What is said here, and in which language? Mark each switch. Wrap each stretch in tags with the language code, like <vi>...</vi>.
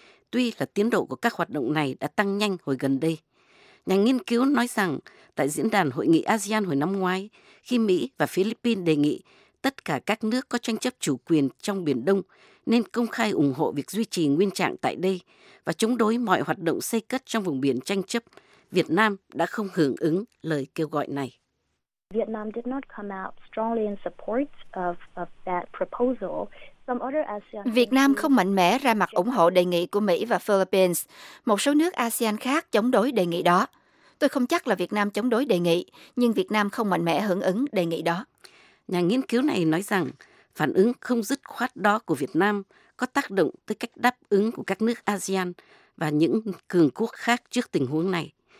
<vi>Tuy là tiến độ của các hoạt động này đã tăng nhanh hồi gần đây. Nhà nghiên cứu nói rằng, tại diễn đàn hội nghị ASEAN hồi năm ngoái, khi Mỹ và Philippines đề nghị tất cả các nước có tranh chấp chủ quyền trong Biển Đông nên công khai ủng hộ việc duy trì nguyên trạng tại đây và chống đối mọi hoạt động xây cất trong vùng biển tranh chấp, Việt Nam đã không hưởng ứng lời kêu gọi này.</vi> <en>Vietnam did not come out strongly in support of that proposal.</en> <vi>Việt Nam không mạnh mẽ ra mặt ủng hộ đề nghị của Mỹ và Philippines. Một số nước ASEAN khác chống đối đề nghị đó. Tôi không chắc là Việt Nam chống đối đề nghị, nhưng Việt Nam không mạnh mẽ hưởng ứng đề nghị đó. Nhà nghiên cứu này nói rằng, phản ứng không dứt khoát đó của Việt Nam có tác động tới cách đáp ứng của các nước ASEAN và những cường quốc khác trước tình huống này.</vi>